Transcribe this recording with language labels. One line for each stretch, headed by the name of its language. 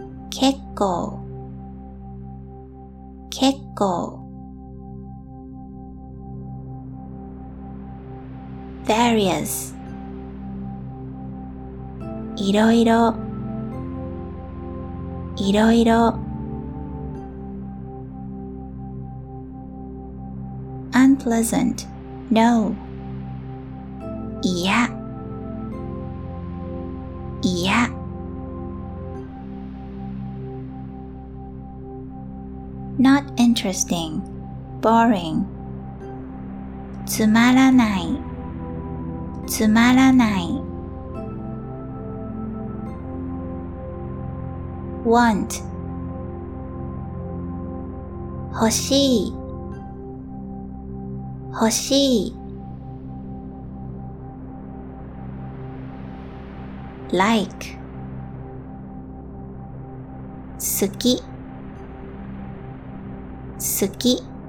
Japanese: 結構結構 Various いろいろいろいろ
English: Unpleasant, no.
Japanese: いやいや
English: Not interesting, boring.
Japanese: つまらないつまらない Want 欲しい欲しい Like 好き好き